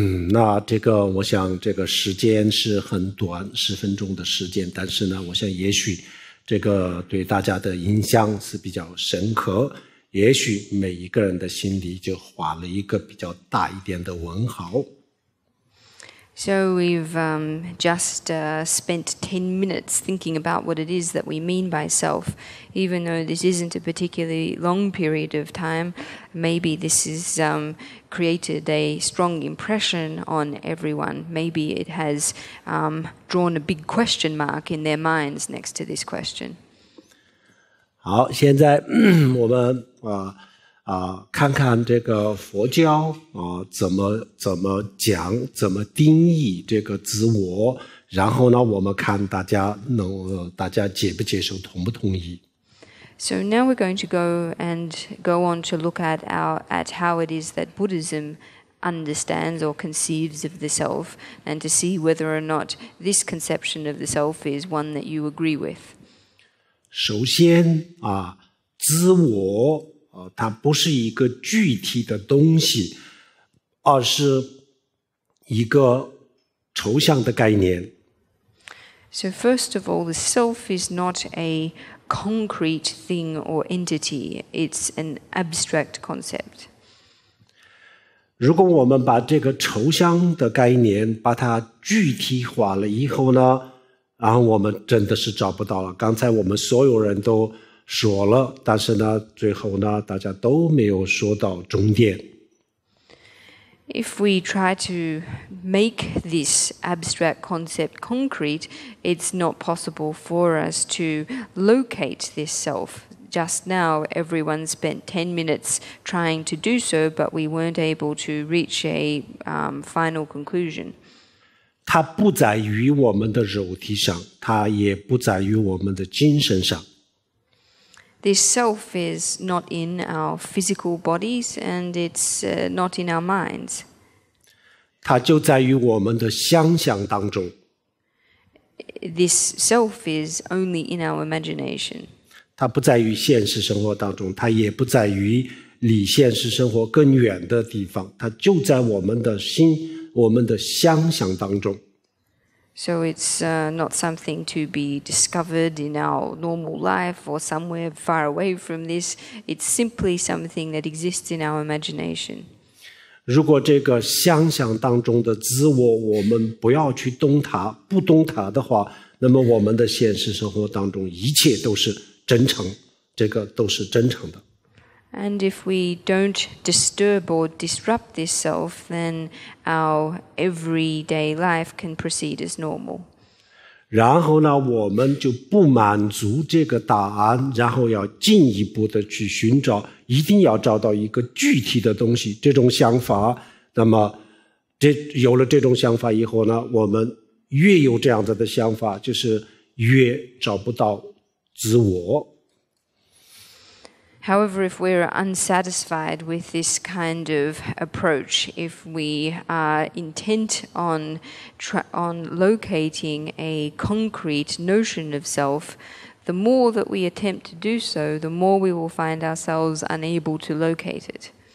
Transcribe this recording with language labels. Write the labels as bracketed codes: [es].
[zh] 那这个我想这个时间是很短，10分钟的时间，但是呢我想也许这个对大家的影响是比较深刻，也许每一个人的心里就画了一个比较大一点的问号。 [en] So we've spent 10 minutes thinking about what it is that we mean by self. Even though this isn't a particularly long period of time, maybe this has created a strong impression on everyone. Maybe it has drawn a big question mark in their minds next to this question. [zh] 好，现在我们看看这个佛教怎么讲，怎么定义这个自我，然后呢我们看大家能大家接不接受，同不同意。 [en] So now we're going to go on to look at how it is that Buddhism understands or conceives of the self, and to see whether or not this conception of the self is one that you agree with. [zh] 首先自我它不是一个具体的东西，而是一个抽象的概念。 [en] So first of all, the self is not a concrete thing or entity. It's an abstract concept. [zh] 如果我们把这个抽象的概念把它具体化了以后呢，然后我们真的是找不到了。刚才我们所有人都说了，但是呢，最后呢，大家都没有说到终点。 [en] If we try to make this abstract concept concrete, it's not possible for us to locate this self. Just now, everyone spent 10 minutes trying to do so, but we weren't able to reach a final conclusion. [zh] 它不在于我们的肉体上，它也不在于我们的精神上。 [en] This self is not in our physical bodies, and it's not in our minds. [zh] 它就在于我们的想象当中。 [en] this self is only in our imagination. [zh] 它不在于现实生活当中，它也不在于离现实生活更远的地方，它就在我们的心，我们的想象当中。 [en] So it's not something to be discovered in our normal life or somewhere far away from this. It's simply something that exists in our imagination. [zh] 如果这个想象当中的自我，我们不要去动它，不动它的话，那么我们的现实生活当中一切都是真诚，这个都是真诚的。 [en] And if we don't disturb or disrupt this self, then our everyday life can proceed as normal. [zh] 然后呢，我们就不满足这个答案，然后要进一步的去寻找，一定要找到一个具体的东西。这种想法，那么这有了这种想法以后呢，我们越有这样子的想法，就是越找不到自我。 [en] However, if we are unsatisfied with this kind of approach, if we are intent on locating a concrete notion of self, the more that we attempt to do so, the more we will find ourselves unable to locate it.